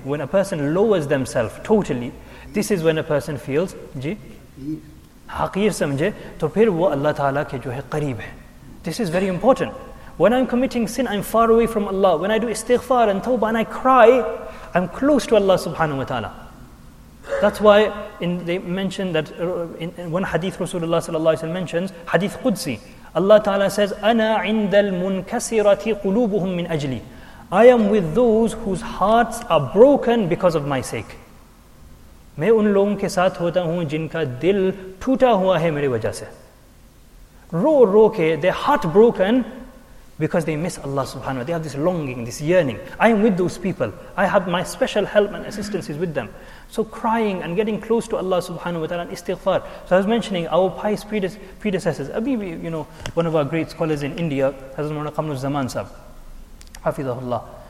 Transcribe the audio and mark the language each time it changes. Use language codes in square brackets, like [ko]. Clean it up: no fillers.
[en] When a person lowers themselves totally, this is when a person feels, ji? [ur] حقیر سمجھے، تو پھر وہ اللہ تعالیٰ کے جو ہے، قریب ہے. [en] This is very important. When I'm committing sin, I'm far away from Allah. When I do istighfar and tawbah and I cry, I'm close to Allah subhanahu wa ta'ala. That's why they mention that in one hadith Rasulullah sallallahu alayhi wa sallam mentions, hadith Qudsi, Allah ta'ala says, [ar] أَنَا عِنْدَ الْمُنْكَسِرَةِ قُلُوبُهُمْ مِنْ أَجْلِي [en] I am with those whose hearts are broken because of my sake. [ur] میں ان لوگوں کے ساتھ ہوتا ہوں جن کا دل ٹوٹا ہوا ہے میرے وجہ سے. رو رو کے, [en] they're heartbroken, Because they miss Allah subhanahu wa ta'ala. They have this longing, this yearning. I am with those people. I have my special help and assistance is with them. So crying and getting close to Allah subhanahu wa ta'ala and istighfar. So I was mentioning our pious predecessors. Abibi, you know, one of our great scholars in India, Hazrat Mawlana Qamru Zaman sahab, Hafizahullah.